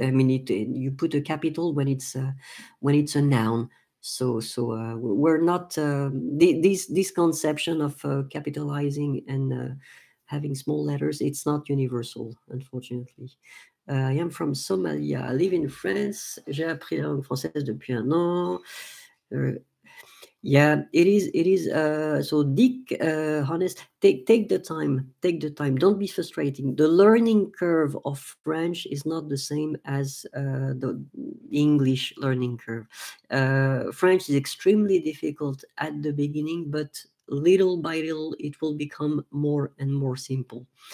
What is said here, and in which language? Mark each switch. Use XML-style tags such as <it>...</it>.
<en>I mean, you put a capital when it's a noun. So we're not this conception of capitalizing and having small letters, it's not universal, unfortunately. I am from Somalia. I live in France.</en> <fr>J'ai appris la langue française depuis un an.</fr> <en>So Dick, honest, take the time, don't be frustrating. The learning curve of French is not the same as the English learning curve. French is extremely difficult at the beginning, but little by little it will become more and more simple.</en>